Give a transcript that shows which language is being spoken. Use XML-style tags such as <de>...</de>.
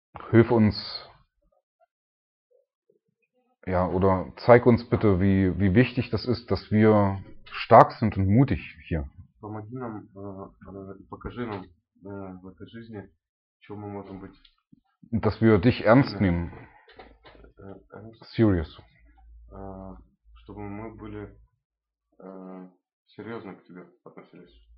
<de>Hilf uns, Ja, oder zeig uns bitte, wie wichtig das ist, dass wir stark sind und mutig hier.</de> <ru>Помоги нам, покажи нам в этой жизни, чем мы можем быть.</ru> <de>Dass wir dich ernst nehmen.</de> <en>Serious.</en> <ru>Чтобы мы были серьезно к тебе относились.</ru>